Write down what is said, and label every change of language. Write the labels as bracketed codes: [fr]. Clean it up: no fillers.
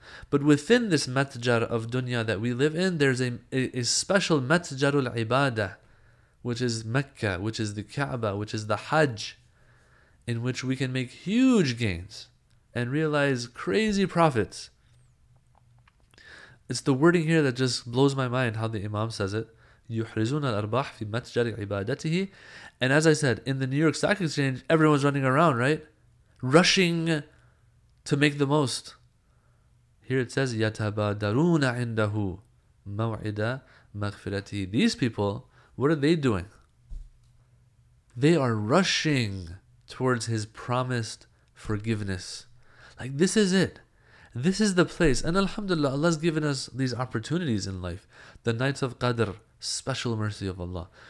[en] But within this matjar of dunya that we live in, there's a special matjarul ibadah, which is Mecca, which is the Kaaba, which is the Hajj, in which we can make huge gains and realize crazy profits. It's the wording here that just blows my mind how the Imam says it. [ar] يُحْرِزُونَ الْأَرْبَاحِ فِي مَتْجَرِ عِبَادَتِهِ. [en] And as I said, in the New York Stock Exchange, everyone's running around, right? Rushing to make the most. Here it says, [ar] يَتَبَادَرُونَ عِنْدَهُ مَوْعِدَ مَغْفِرَتِهِ. [en] These people, what are they doing? They are rushing towards his promised forgiveness. Like, this is it. This is the place. And alhamdulillah, Allah's given us these opportunities in life. The nights of Qadr, special mercy of Allah.